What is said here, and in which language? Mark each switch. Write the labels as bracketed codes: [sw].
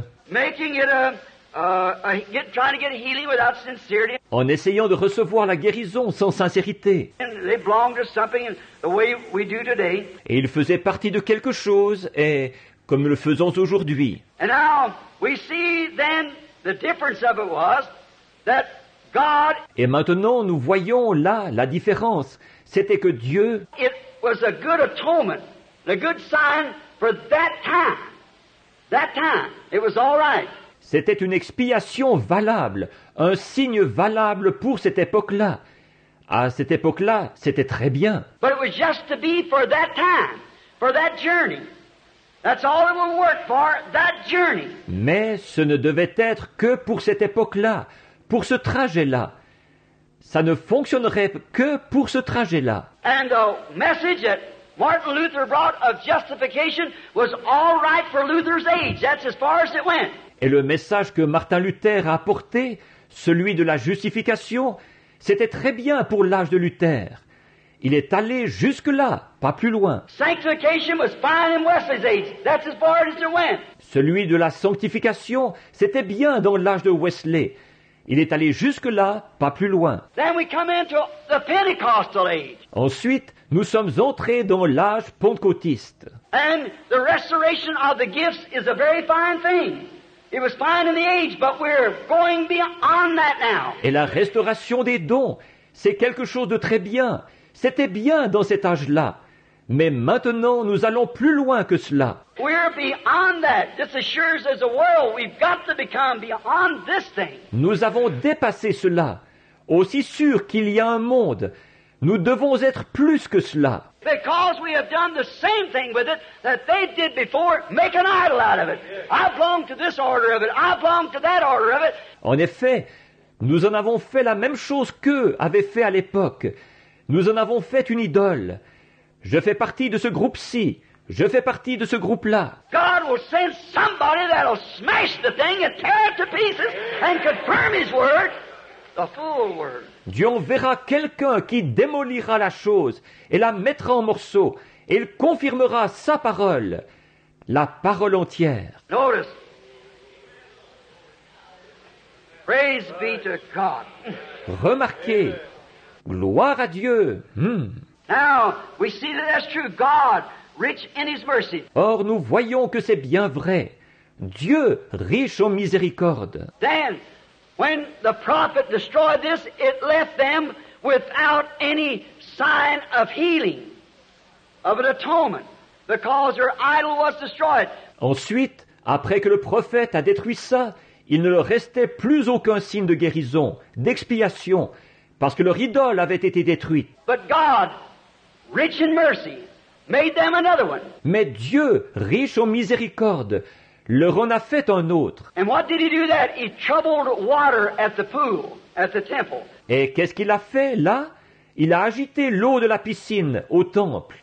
[en] making it trying to get healing without sincerity. [fr] En essayant de recevoir la guérison sans sincérité. [en] And they belong to something the way we do today. [fr] Et ils faisaient partie de quelque chose, et comme le faisons aujourd'hui. [en] And now we see then the difference of it was that God. [fr] Et maintenant nous voyons là la différence. C'était que Dieu. [en] It was a good atonement, a good sign for that time. That time, it was all right. [fr] C'était une expiation valable, un signe valable pour cette époque-là. À cette époque-là, c'était très bien. [en] But it was just to be for that time, for that journey. That's all it would work for, that journey. [fr] Mais ce ne devait être que pour cette époque-là, pour ce trajet-là. Ça ne fonctionnerait que pour ce trajet-là. [en] And the message that Martin Luther brought of justification was all right for Luther's age. That's as far as it went. [fr] Et le message que Martin Luther a apporté, celui de la justification, c'était très bien pour l'âge de Luther. Il est allé jusque-là, pas plus loin. [en] Sanctification was fine in Wesley's age. That's as far as it went. [fr] Celui de la sanctification, c'était bien dans l'âge de Wesley. Il est allé jusque-là, pas plus loin. [en] Then we come into the Pentecostal age. [fr] Ensuite, nous sommes entrés dans l'âge pentecôtiste. [en] And the restoration of the gifts is a very fine thing. It was fine in the age, but we're going beyond that now. [fr] Et la restauration des dons, c'est quelque chose de très bien. C'était bien dans cet âge-là. Mais maintenant, nous allons plus loin que cela. [en] We're beyond that. This assures as a world, we've got to become beyond this thing. [fr] Nous avons dépassé cela. Aussi sûr qu'il y a un monde, nous devons être plus que cela. [en] Because we have done the same thing with it that they did before, make an idol out of it. I belong to this order of it. I belong to that order of it. [fr] En effet, nous en avons fait la même chose qu'eux avaient fait à l'époque. Nous en avons fait une idole. Je fais partie de ce groupe-ci. Je fais partie de ce groupe-là. [en] God will send somebody that'll smash the thing and tear it to pieces and confirm His word. The fool word. [fr] Dieu enverra quelqu'un qui démolira la chose et la mettra en morceaux et il confirmera sa parole, la parole entière. [en] Notice. Praise be to God. [fr] Remarquez. Gloire à Dieu. [en] Now, we see that that's true. God, rich in His mercy. [fr] Or, nous voyons que c'est bien vrai. Dieu, riche en miséricorde. [en] Then, when the prophet destroyed this, it left them without any sign of healing, of an atonement, because their idol was destroyed. [fr] Ensuite, après que le prophète a détruit ça, il ne leur restait plus aucun signe de guérison, d'expiation, parce que leur idole avait été détruite. [en] But God, rich in mercy, made them another one. [fr] Mais Dieu, riche en miséricorde, leur en a fait un autre. [en] And what did he do that? He troubled water at the pool, at the temple. [fr] Et qu'est-ce qu'il a fait là? Il a agité l'eau de la piscine au temple.